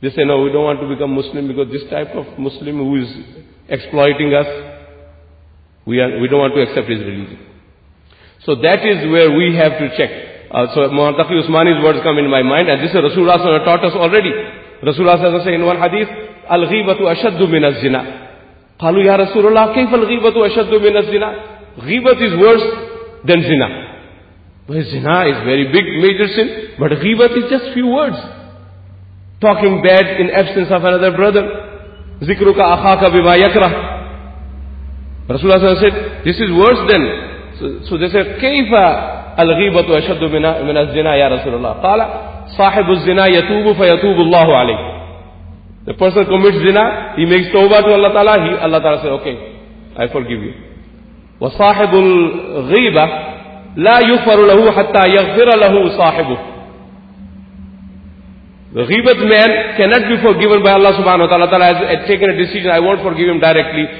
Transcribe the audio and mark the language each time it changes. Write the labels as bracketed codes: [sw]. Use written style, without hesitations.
[en] They say, no, we don't want to become Muslim because this type of Muslim who is exploiting us, we don't want to accept his religion. So that is where we have to check. So Muhammad Usmani's words come in my mind, and this is Rasulullah taught us already. Rasulullah says in one hadith, [ar] Al-ghibatu ashaddu min az-zina. قالوا يا رسول الله كيف الغيبة أشد من الزنا. [en] Ghibat is worse than zina. But zina is very big major sin. But ghibat is just few words. Talking bad in absence of another brother. [ar] ذكرك أخاك بما يكره. [en] رسول الله said this is worse than. So they said [ar] كيف الغيبة أشد من الزنا يا رسول الله. قال صاحب الزنا يتوب فيتوب الله عليه. [en] The person commits zina, he makes tawbah to Allah Ta'ala, Allah Ta'ala says, okay, I forgive you. [ar] وَصَاحِبُ الْغِيبَةِ لَا يُفَرُ لَهُ حَتَّى يَغْفِرَ لَهُ صَاحِبُهُ. [en] The ghibat man cannot be forgiven by Allah Subhanahu wa Ta'ala. Allah Ta'ala has taken a decision, I won't forgive him directly.